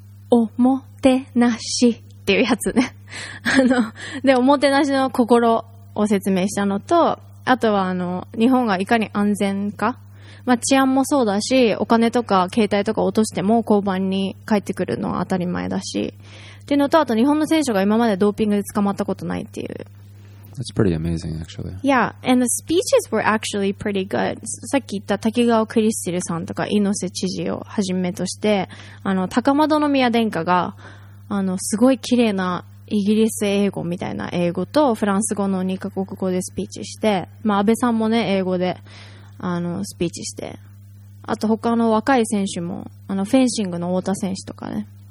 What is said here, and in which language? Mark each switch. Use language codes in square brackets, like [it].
[ja] おもてなしっていうやつねあのでおもてなしの心を説明したのと、あとはあの日本がいかに安全か、まあ、治安もそうだし、お金とか携帯とか落としても交番に帰ってくるのは当たり前だしっていうのと、あと日本の選手が今までドーピングで捕まったことないっていう。 [en] That's pretty amazing actually. Yeah, and the speeches were actually pretty good. [ja] さっき言った滝川クリステルさんとか猪瀬知事をはじめとして、あの高円宮殿下があのすごい綺麗なイギリス英語みたいな英語とフランス語の2カ国語でスピーチして、まあ、安倍さんもね英語であのスピーチして、あと他の若い選手もあのフェンシングの太田選手とかね、